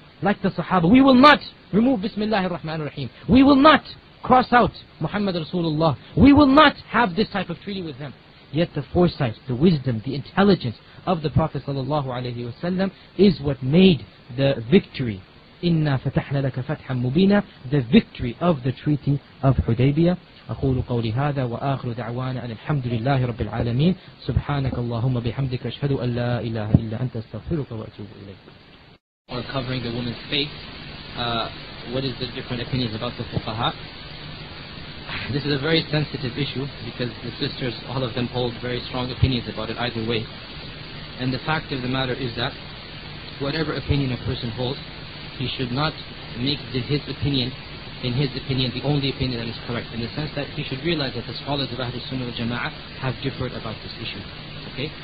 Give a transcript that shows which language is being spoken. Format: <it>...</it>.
<en>Like the Sahaba, we will not remove Bismillah ar-Rahman ar-Rahim. We will not cross out Muhammad Rasulullah. We will not have this type of treaty with them. Yet the foresight, the wisdom, the intelligence of the Prophet sallallahu alayhi wasallam is what made the victory.</en> <ar>إِنَّا فَتَحْنَا لَكَ فَتْحًا مُبِينًا.</ar> <en>The victory of the Treaty of Hudaybiyyah.</en> <ar>أقول قولي هذا وآخر دعوانا أن الحمد لله رب العالمين. سبحانك اللهم بحمدك أشهد أن لا إله إلا أنت استغفرك وأتوب إليك.</ar> <en>We're covering the woman's face. What is the different opinions about the fuqaha? This is a very sensitive issue because the sisters, all of them, hold very strong opinions about it either way. And the fact of the matter is that whatever opinion a person holds, he should not make his opinion, in his opinion, the only opinion that is correct, in the sense that he should realize that the scholars of Ahlul Sunnah wal Jama'ah have differed about this issue. Okay?</en>